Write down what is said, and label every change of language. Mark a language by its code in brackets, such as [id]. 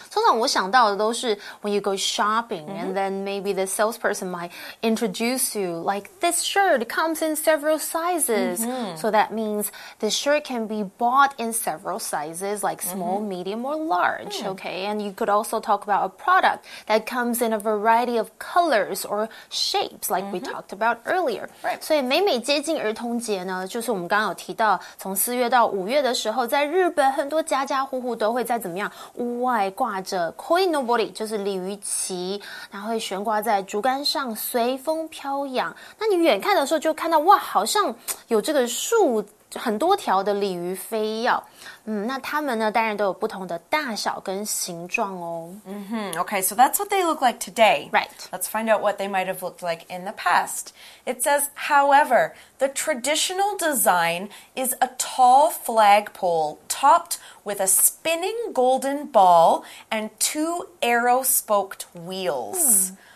[zh] 通常我想到的都是 [en] when you go shopping, and then maybe the salesperson might introduce you, like this shirt comes in several sizes. So that means the shirt can be bought in several sizes, like small, medium, or large. Okay, and you could also talk about a product that comes comes in a variety of colors or shapes, like we talked about earlier. Right. [zh] 所以每每接近儿童节呢，就是我们刚刚有提到，从四月到五月的时候，在日本很多家家户户都会在怎么样，屋外挂着 koinobori， 就是鲤鱼旗，然后会悬挂在竹竿上，随风飘扬。那你远看的时候就看到，哇，好像有这个树。很多条的鲤鱼飞耀，那它们呢，当然都有不同的大小跟形状哦。 [en] Okay, so that's what they look like today. Right. Let's find out what they might have looked like in the past. It says, however, the traditional design is a tall flagpole topped with a spinning golden ball and two arrow-spoked wheels.